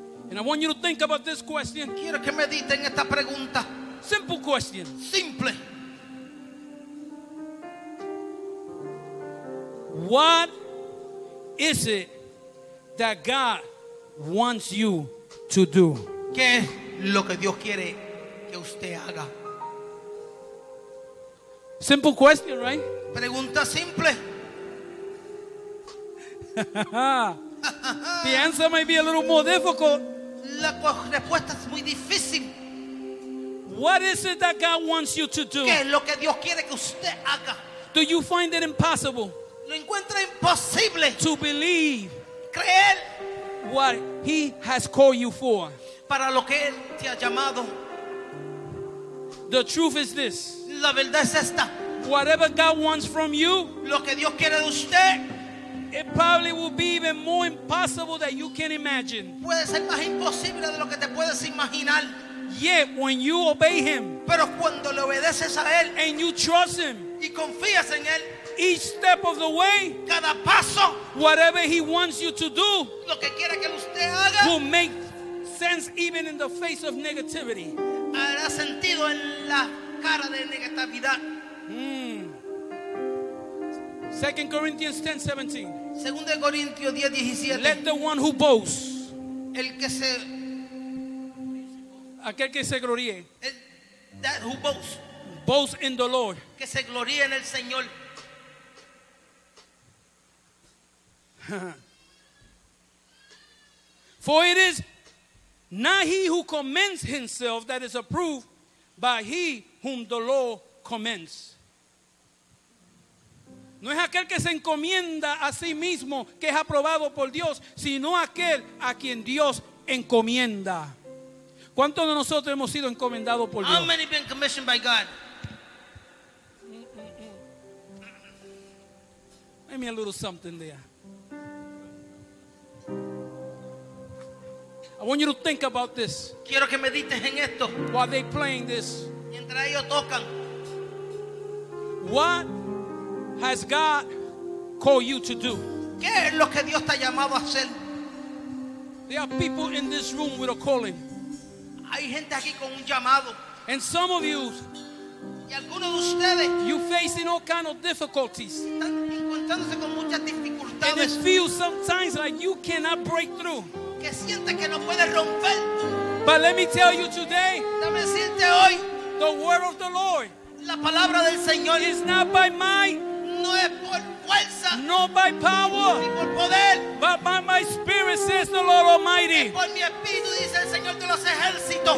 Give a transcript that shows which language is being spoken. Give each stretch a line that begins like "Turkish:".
English: And I want you to think about this question.
Spanish: Quiero que mediten esta pregunta.
English: Simple question.
Spanish: Simple.
English: What is it that God wants you to do?
Spanish: ¿Qué es lo que Dios quiere que usted haga?
English: Simple question, right?
Spanish: Pregunta simple.
English: The answer may be a little more difficult.
Spanish: La respuesta es muy difícil.
English: What is it that God wants you to do?
Spanish: ¿Qué es lo que Dios quiere que usted haga?
English: Do you find it impossible?
Spanish: Lo encuentra imposible.
English: To believe.
Spanish: Creer.
English: What He has called you for.
Spanish: Para lo que Él te ha llamado.
English: The truth is this.
Spanish: La verdad es esta.
English: Whatever God wants from you.
Spanish: Lo que Dios quiere de usted.
English: It probably will be even more impossible than you can imagine.
Spanish: Puede ser más imposible de lo que te puedes imaginar.
English: Yet when you obey Him.
Spanish: Pero cuando le obedeces a Él.
English: And you trust Him.
Spanish: Y confías en Él.
English: Each step of the way,
Spanish: cada paso,
English: whatever He wants you to do,
Spanish: lo que quiera que usted haga,
English: will make sense even in the face of negativity.
Spanish: Hará sentido en la cara de negatividad.
English: 2 Corinthians 10:17.
Spanish: Segundo Corintios 10:17.
English: Let the one who boasts,
Spanish: el que se, aquel que se gloríe,
English: that who boasts, boasts in the Lord,
Spanish: que se gloríe en el Señor.
English: For it is not he who commends himself that is approved, but he whom the law commends.
Spanish: No es aquel que se encomienda a sí mismo, que es aprobado por Dios, sino aquel a quien Dios encomienda. ¿Cuántos de nosotros hemos sido encomendados por Dios?
English: How many been commissioned by God? Give me a little something there. I want you to think about this.
Spanish: Quiero que medites en esto.
English: While they're playing this.
Spanish: Mientras ellos tocan.
English: What has God called you to do?
Spanish: ¿Qué es lo que Dios te ha llamado a hacer?
English: There are people in this room with a calling.
Spanish: Hay gente aquí con un llamado.
English: And some of you.
Spanish: Y algunos de ustedes.
English: You're facing all kinds of difficulties.
Spanish: Están encontrándose con muchas dificultades.
English: And it feels sometimes like you cannot break through.
Spanish: Que sientes que no puedes romper.
English: But let me tell you today.
Spanish: Dame decirte hoy.
English: The word of the Lord.
Spanish: La palabra del Señor.
English: Is not by might.
Spanish: No es por fuerza.
English: Not by power.
Spanish: Ni por poder.
English: But by my spirit, says the Lord Almighty.
Spanish: Es por mi espíritu, dice el Señor de los ejércitos.